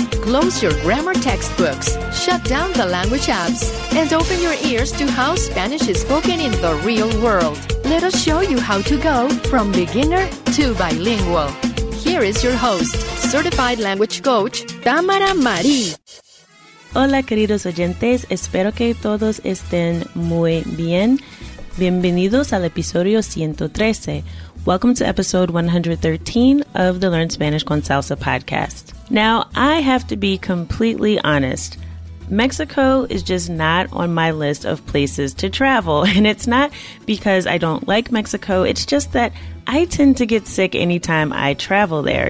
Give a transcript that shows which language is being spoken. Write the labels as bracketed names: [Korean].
[English] Close your grammar textbooks, shut down the language apps, and open your ears to how Spanish is spoken in the real world. Let us show you how to go from beginner to bilingual. Here is your host, certified language coach, Tamara Marie. [Spanish] Hola, queridos oyentes. Espero que todos estén muy bien. Bienvenidos al episodio 113. [English] Welcome to episode 113 of the Learn Spanish con Salsa podcast. Now, I have to be completely honest. Mexico is just not on my list of places to travel. And it's not because I don't like Mexico. It's just that I tend to get sick anytime I travel there.